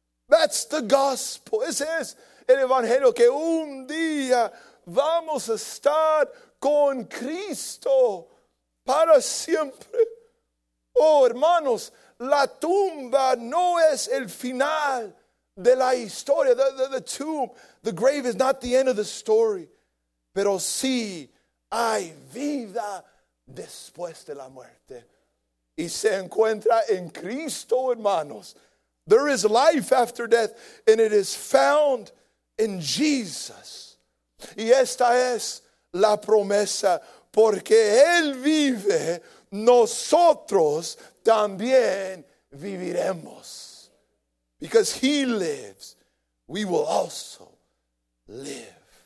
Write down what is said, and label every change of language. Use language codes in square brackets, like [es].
[en] That's the gospel. [es] Ese es el evangelio, que un día vamos a estar con Cristo para siempre. Oh, hermanos, la tumba no es el final de la historia. [en] The tomb, the grave is not the end of the story. [es] Pero sí hay vida después de la muerte. Y se encuentra en Cristo, hermanos. [en] There is life after death, and it is found in Jesus. [es] Y esta es la promesa, porque Él vive, nosotros también viviremos. [en] Because He lives, we will also live.